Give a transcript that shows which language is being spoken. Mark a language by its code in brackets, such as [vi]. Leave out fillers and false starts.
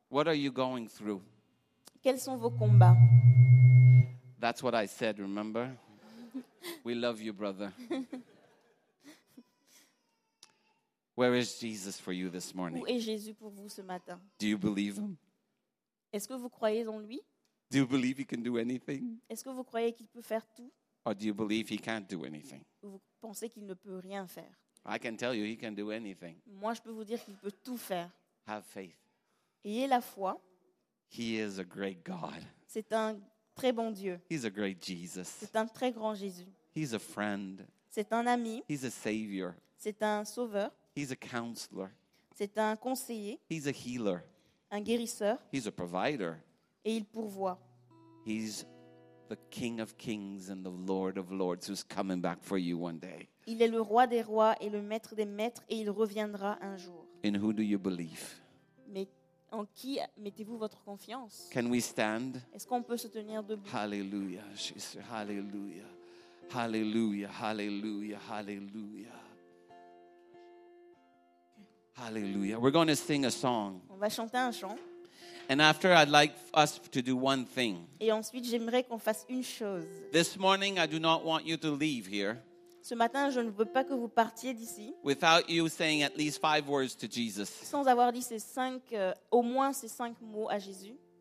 [en] What are you going through? [fr] Quels sont vos combats? [en] That's what I said, remember? We love you, brother. Where is Jesus for you this morning? [fr] Où est Jésus pour vous ce matin? [en] Do you believe him? [fr] Est-ce que vous croyez en lui? [en] Do you believe he can do anything? [fr] Est-ce que vous croyez qu'il peut faire tout? [en] Or do you believe he can't do anything? [fr] Vous pensez qu'il ne peut rien faire? [en] I can tell you he can do anything. [fr] Moi, je peux vous dire qu'il peut tout faire. [en] Have faith. [fr] Ayez la foi. [en] He is a great God. [fr] C'est un très bon Dieu. [en] He's a great Jesus. [fr] C'est un très grand Jésus. [en] He's a friend. [fr] C'est un ami. [en] He's a savior. [fr] C'est un sauveur. [en] He's a counselor. [fr] C'est un conseiller. [en] He's a healer. [fr] Un guérisseur. [en] He's a provider. [fr] Et il pourvoit. [en] He's the King of Kings and the Lord of Lords who's coming back for you one day. [fr] Il est le roi des rois et le maître des maîtres et il reviendra un jour. [en] In who do you believe? [fr] Mais en qui mettez-vous votre confiance? [en] Can we stand? [fr] Est-ce qu'on peut se tenir debout? Hallelujah, Jesus. Hallelujah. Hallelujah. Hallelujah. Hallelujah. Hallelujah. [en] We're going to sing a song. [fr] On va chanter un chant. [en] And after, I'd like us to do one thing. [fr] Et ensuite, j'aimerais qu'on fasse une chose. [en] This morning, I do not want you to leave here. [fr] Ce matin, je ne veux pas que vous partiez d'ici. [en] Without you saying at least five words to Jesus. [fr] Sans avoir dit ces cinq, au moins ces cinq mots à Jésus.